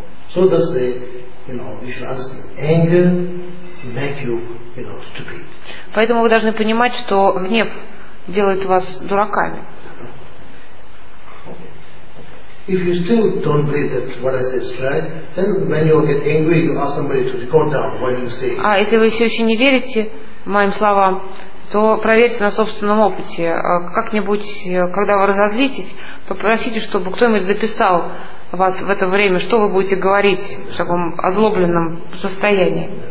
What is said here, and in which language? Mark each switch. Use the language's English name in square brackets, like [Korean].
[English] So that's the, you know, you should understand. Anger make you, you know, stupid. [Russian] Поэтому вы должны понимать, что гнев делает вас дураками. [English] If you still don't believe that what I said is right, then when you get angry, you ask somebody to record down what you say. [Russian] А если вы все еще не верите моим словам, то проверьте на собственном опыте. Как-нибудь, когда вы разозлитесь, попросите, чтобы кто-нибудь записал вас в это время, что вы будете говорить в таком озлобленном состоянии.